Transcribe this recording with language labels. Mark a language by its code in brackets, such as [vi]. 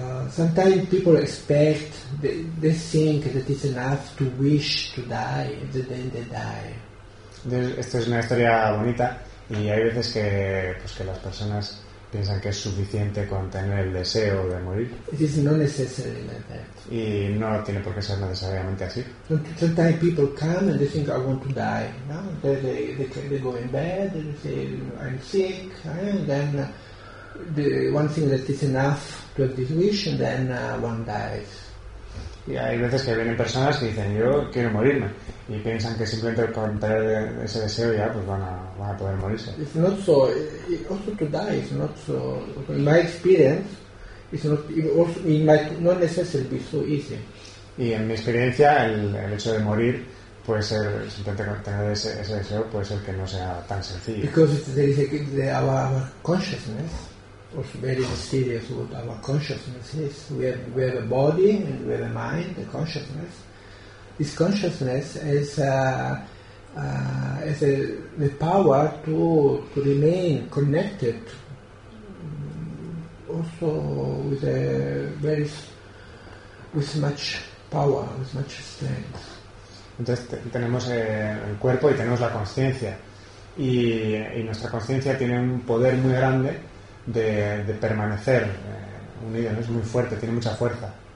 [en] Sometimes people expect, they think that it's enough to wish to die, that then they die. [es] Entonces, esta es una historia bonita y hay veces que, pues, que las personas piensan que es suficiente con tener el deseo de morir. [en] It is not necessary like that. [es] Y no tiene por qué ser necesariamente así. [en] Sometimes people come and they think I want to die. No, they go in bed and they say I'm sick, and then the one thing that is enough to have this wish, and then one dies. [es] Y hay veces que vienen personas que dicen yo quiero morirme y piensan que simplemente con tener ese deseo ya pues van a poder morirse. [en] It's not so, also to die is not so, in my experience it's not, also, it might not necessarily be so easy. [es] Y en mi experiencia el hecho de morir puede ser, simplemente tener ese deseo puede ser que no sea tan sencillo. [en] Because there is our consciousness. It's very mysterious what our consciousness is. We have a body and we have a mind, a consciousness. This consciousness has the power to remain connected also with a very with much power, with much strength. [es] Entonces tenemos el cuerpo y tenemos la consciencia y nuestra consciencia tiene un poder muy grande de permanecer unido, ¿no? Es muy fuerte, tiene mucha fuerza.